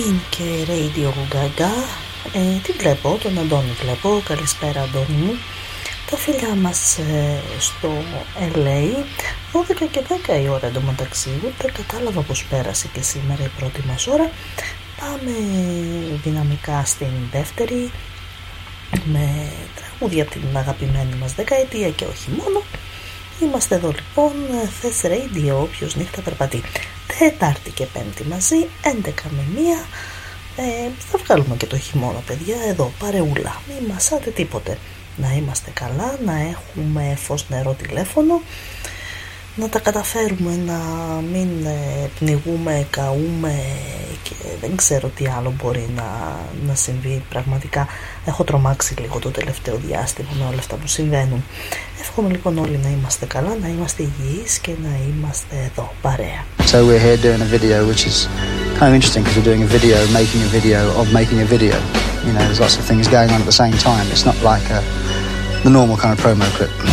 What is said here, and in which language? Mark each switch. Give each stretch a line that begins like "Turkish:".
Greek: και Radio Gaga. Τι βλέπω, τον Αντώνη βλέπω. Καλησπέρα Αντώνη μου. Τα φιλιά μας στο LA. 12 και 10 η ώρα εντωμεταξύ. Ούτε κατάλαβα πως πέρασε και σήμερα η πρώτη μας ώρα. Πάμε δυναμικά στην δεύτερη, με τραγούδια από την αγαπημένη μας δεκαετία και όχι μόνο. Είμαστε εδώ λοιπόν, Θες Radio, όποιος νύχτα περπατεί. Τετάρτη και Πέμπτη μαζί, 11 με 1. Θα βγάλουμε και το χειμώνα, παιδιά, εδώ, παρεούλα. Μη μασάτε τίποτε. Να είμαστε καλά, να έχουμε φως, νερό, τηλέφωνο. Να τα καταφέρουμε, να μην πνιγούμε, καούμε και δεν ξέρω τι άλλο μπορεί να συμβεί. Πραγματικά έχω τρομάξει λίγο το τελευταίο διάστημα με όλα αυτά που συμβαίνουν. Εύχομαι λοιπόν όλοι να είμαστε καλά, να είμαστε υγιείς και να είμαστε εδώ παρέα.
English: So we're here doing a video, which is kind of interesting because we're doing a video, making a video of making a video. You know, there's lots of things going on at the same time. It's not like the normal kind of promo clip.